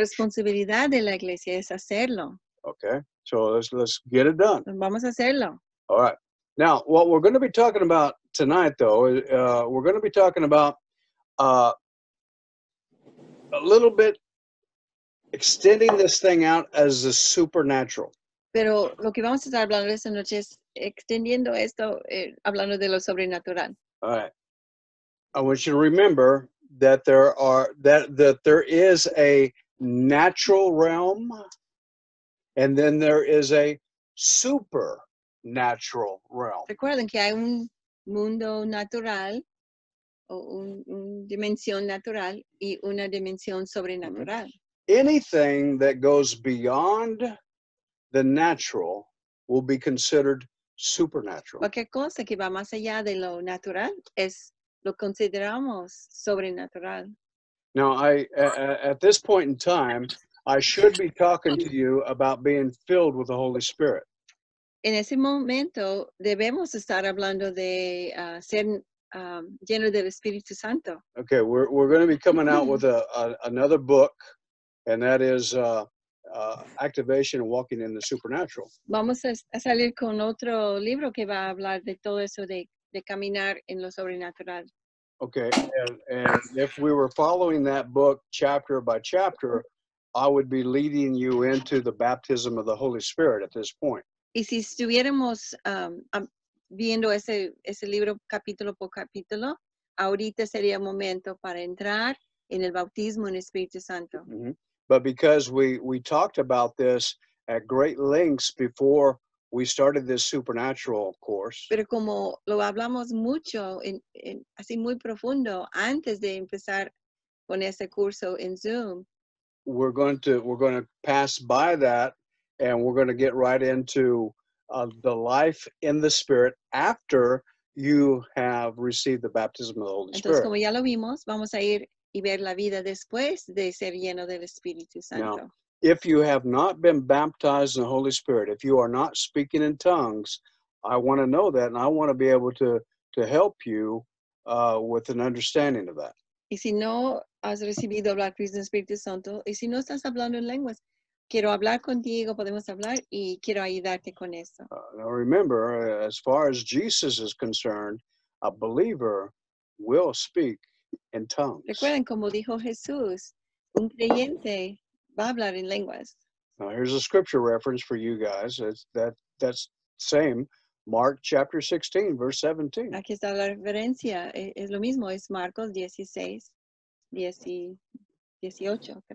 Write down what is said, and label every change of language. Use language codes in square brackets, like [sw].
[es] Es la responsabilidad de la iglesia, es hacerlo. [en] Okay, so let's get it done. [es] Vamos a hacerlo. [en] All right. Now, what we're going to be talking about tonight, though, we're going to be talking about a little bit extending this thing out as the supernatural. [es] Pero lo que vamos a estar hablando esta noche es extendiendo esto, hablando de lo sobrenatural. [en] All right. I want you to remember that there is a natural realm, and then there is a supernatural realm. [es] Recuerden que hay un mundo natural o un dimensión natural y una dimensión sobrenatural. [en] Anything that goes beyond the natural will be considered supernatural. [es] Cualquier cosa que va más allá de lo natural es lo consideramos sobrenatural. [en] Now, at this point in time, I should be talking to you about being filled with the Holy Spirit. [es] En ese momento, debemos estar hablando de ser lleno del Espíritu Santo. [en] Okay, we're going to be coming out with another book, and that is Activation and Walking in the Supernatural. [es] Vamos a salir con otro libro que va a hablar de todo eso de caminar en lo sobrenatural. [en] Okay, and if we were following that book chapter by chapter, I would be leading you into the baptism of the Holy Spirit at this point. [es] Y si estuviéramos viendo ese libro capítulo por capítulo, ahorita sería momento para entrar en el bautismo en Espíritu Santo. Mm-hmm. [en] But because we talked about this at great lengths before we started this supernatural course. [es] Pero como lo hablamos mucho en así muy profundo antes de empezar con ese curso en Zoom. [en] We're going to pass by that, and we're going to get right into the life in the Spirit after you have received the baptism of the Holy Spirit. [es] Entonces, como ya lo vimos, vamos a ir y ver la vida después de ser lleno del Espíritu Santo. [en] Now, if you have not been baptized in the Holy Spirit, if you are not speaking in tongues, I want to know that, and I want to be able to help you with an understanding of that. [es] Y si no has recibido el bautismo del Espíritu Santo, y si no estás hablando en lenguas, quiero hablar contigo, podemos hablar, y quiero ayudarte con eso. [en] Now remember, as far as Jesus is concerned, a believer will speak in tongues. [es] Recuerden, como dijo Jesús, un creyente va a hablar en lenguas. [en] Now here's a scripture reference for you guys. That's same, Mark chapter 16, verse 17. [es] Aquí está la referencia, es lo mismo, es Marcos 16, 17.